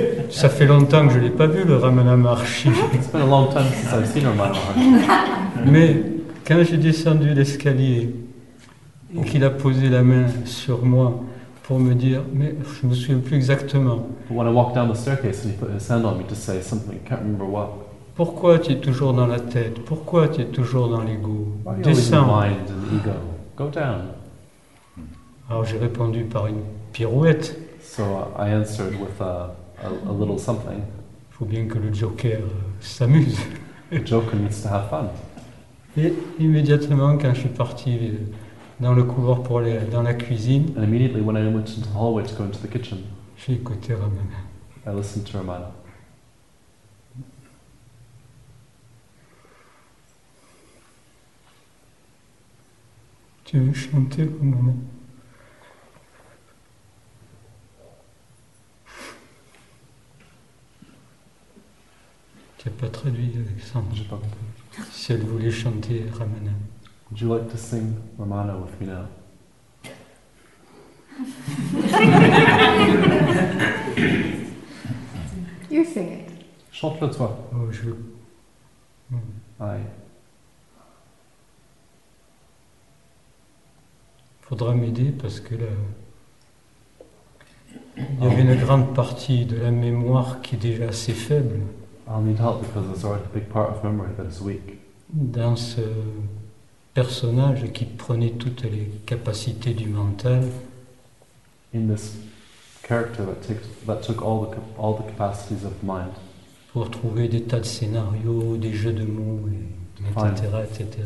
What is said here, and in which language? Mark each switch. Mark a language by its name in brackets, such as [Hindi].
[French] Ça fait longtemps que je ne l'ai pas vu, le Ramana Maharshi. [English] It's been a long time since I've seen Ramana Maharshi. [French] Mais quand j'ai descendu l'escalier et qu'il a posé la main sur moi, pour me dire, mais je ne me souviens plus exactement. [English] But when I walked down the staircase and he put his hand on me to say something, I can't remember what. [French] Pourquoi tu es toujours dans la tête? Pourquoi tu es toujours dans l'ego? Descends. [English] Why are you always in the mind and ego? Go down. [French] Alors j'ai répondu par une pirouette. [English] So I answered with a little something. [French] Il faut bien que le joker s'amuse. [English] The joker needs to have fun. [French] Et immédiatement quand je suis parti dans le couloir pour aller dans la cuisine. [English] And immediately when I went into the hallway to go into the kitchen. [French] J'ai écouté Ramana. [English] I listened to Ramana. [French] Tu veux chanter, Ramana? Tu n'as pas traduit, Alexandre. J'ai pas compris. Si elle voulait chanter, Ramana. [English] Would you like to sing Ramana with me now? You sing it. [French] Chante-le toi. Oh, je veux. Aïe. Faudra m'aider parce que là, il y avait une grande partie de la mémoire qui est déjà assez faible. [English] I'll need help because there's already a big part of memory that is weak. [French] Dans ce personnage qui prenait toutes les capacités du mental. [English] In this character that took all the capacities of the mind. [French] Pour trouver des tas de scénarios, des jeux de mots, et etc.